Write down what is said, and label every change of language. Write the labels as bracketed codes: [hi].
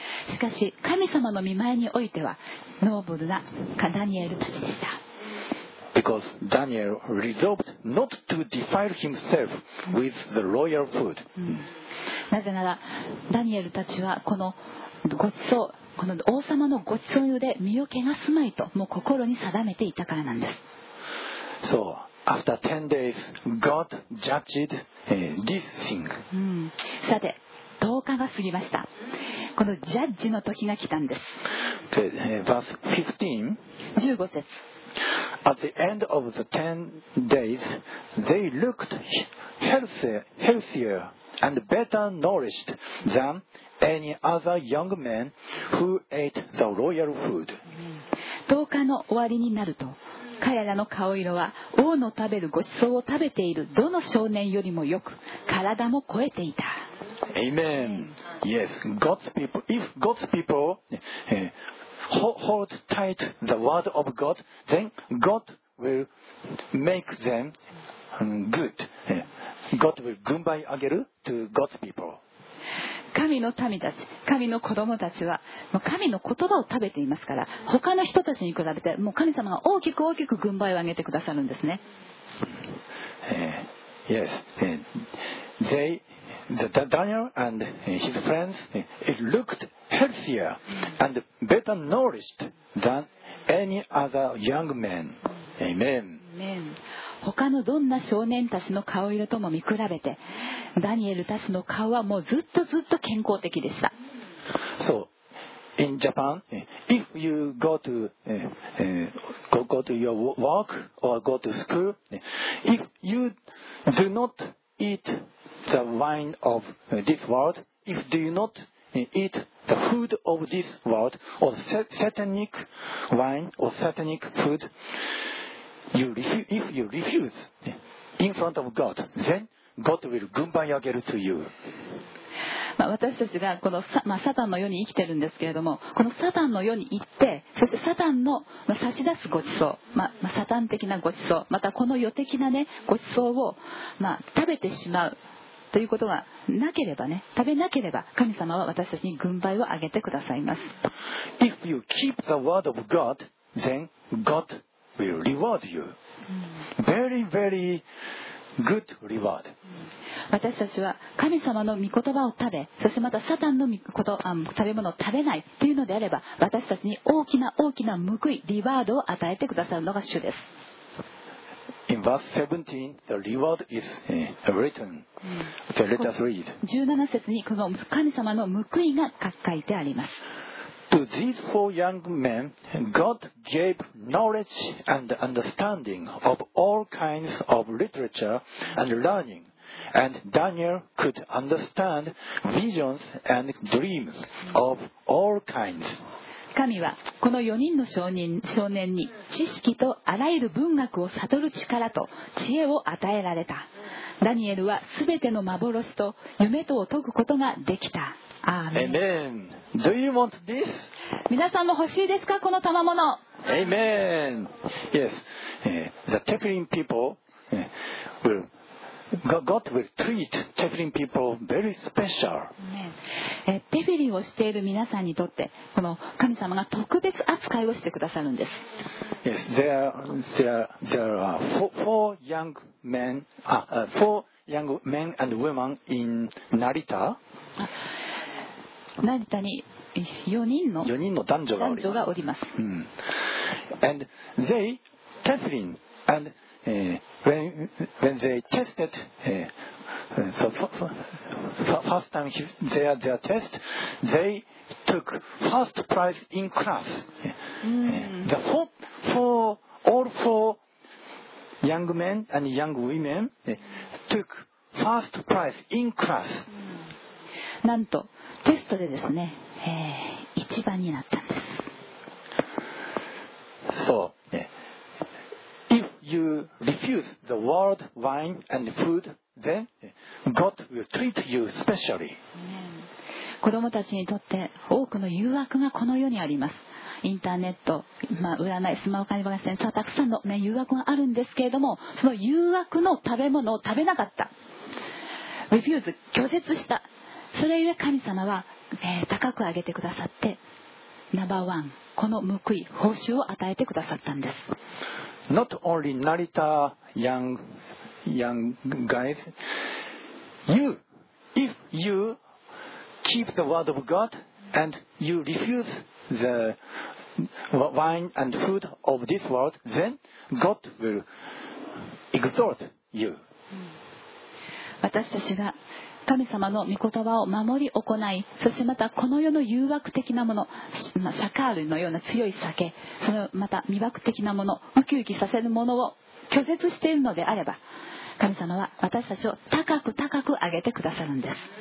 [ja] しかし神様の御前においてはノーブルなダニエルたちでした。 [en] Because Daniel resolved not to defile himself with the royal food. [ja] なぜならダニエルたちはこのごちそう、この王様のごちそうで身を汚すまいともう心に定めていたからなんです。 [en] So after 10 days, God judged this thing. [ja] さて10日が過ぎました。このジャッジの時が来たんです。 [en] Verse [ja] 15節。 [en] At the end of the 10 days, they looked healthier and better nourished than any other young man who ate the royal food. [ja] 10日の終わりになると、彼らの顔色は王の食べるごちそうを食べているどの少年よりもよく、体も肥えていた。 [en] Amen. Yes, God's people. If God's people hold tight the word of God, then God will make them good. God will [ja] 軍配あげる [en] to God's people. [ja] 神の民たち、神の子供たちは、もう神の言葉を食べていますから、他の人たちに比べて、もう神様が大きく大きく軍配をあげてくださるんですね。 [en] Yes. They. Daniel and his friends looked healthier and better nourished than any other young man. Amen. Amen. [ja] 他のどんな少年たちの顔色とも見比べて、ダニエルたちの顔はもうずっとずっと健康的でした。 [en] So, in Japan, if you go to, go to your work or go to school, if you do not eat the wine of this world, if do you not eat the food of this world, or satanic wine or satanic food, if you refuse in front of God, then God will [ja] 軍配あげる [en] to you. [ja] まあ、私たちがこの まあ、サタンの世に生きてるんですけれども、このサタンの世に行って、そしてサタンの差し出すごちそう、まあ、サタン的なごちそう、またこの世的な、ね、ごちそうを、まあ、食べてしまうということがなければね、食べなければ神様は私たちに軍配をあげてくださいます。 [en] If you keep the word of God, then God will reward you. Very, very good reward. [ja] 私たちは神様の御言葉を食べ、そしてまたサタンの食べ物を食べないというのであれば、私たちに大きな大きな報い、リワードを与えてくださるのが主です。 [en] In verse 17, the reward is written. Okay, let us read. [ja] 17節にこの神様の報いが書いてあります。 [en] To these four young men, God gave knowledge and understanding of all kinds of literature and learningAnd Daniel could understand visions and dreams of all kinds. [ja] 神はこの4人の少年に知識とあらゆる文学を悟る力と知恵を与えられた。ダニエルはすべての幻と夢とを解くことができた。アーメン。 [en] Amen. Do you want this? [ja] 皆さんも欲しいですか、この賜物。 [en] Amen. Yes. The Tefillin people will God will treat Tefillin people very special. [ja] Tefillin をしている皆さんにとってこの神様が特別扱いをしてくださるんです。 [en] Yes. There are four young men and women in Narita. [ja] Narita に4人の男女がおります。 [en] And they Tefillin and when they tested first time their test, they took first prize in class. The four young men and young women took first prize in class. [ja] なんとテストでですね、一番になったんです。 [en] So, if you refuse the world wine and food, then God will treat you specially. [ja] 子供たちにとって多くの誘惑がこの世にあります。インターネット、まあ、占い、スマホ管理場ですね、たくさんの、ね、誘惑があるんですけれども、その誘惑の食べ物を食べなかった。 [en] Refuse、 [ja] 拒絶した。それゆえ神様は、高く上げてくださって、ナンバーワン、この報い、報酬を与えてくださったんです。 [en] Not only Narita young guys, you, if you keep the word of God and you refuse the wine and food of this world, then God will exalt you. [ja] 私たちが神様の御言葉を守り行い、そしてまたこの世の誘惑的なもの、シャカールのような強い酒、そのまた魅惑的なもの、ウキウキさせるものを拒絶しているのであれば、神様は私たちを高く高く上げてくださるんです。